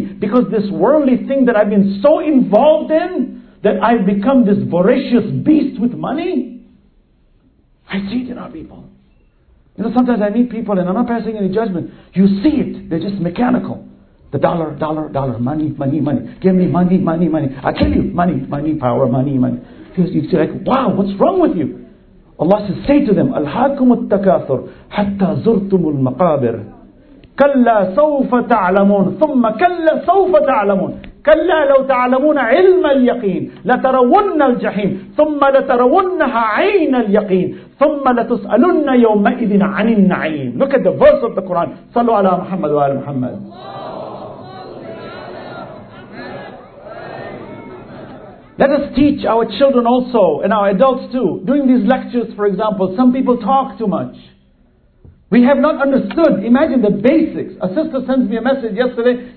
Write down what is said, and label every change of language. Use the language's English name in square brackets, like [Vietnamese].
[English] Because this worldly thing that I've been so involved in, that I've become this voracious beast with money, I see it in our people. You know, sometimes I meet people and I'm not passing any judgment. You see it. They're just mechanical. The dollar, dollar, dollar. Money, money, money. Give me money, money, money. I kill you. Money, money, power, money, money. You say like, wow, what's wrong with you? Allah says, say to them, [Arabic] أَلْحَاكُمُ التَّكَاثُرُ حَتَّى زُرْتُمُ الْمَقَابِرِ كَلَّا سَوْفَ تَعْلَمُونَ ثُمَّ كَلَّا سَوْفَ تَعْلَمُونَ كلا لو تعلمون علم اليقين لترون الجحيم ثم لترونها عين اليقين ثم لتسألن يومئذ عن النعيم. [English] Look at the verse of the Quran. [Arabic] صلوا على محمد وآل محمد. [English] Let us teach our children also and our adults too. Doing these lectures, for example, some people talk too much. We have not understood. Imagine the basics. A sister sends me a message yesterday.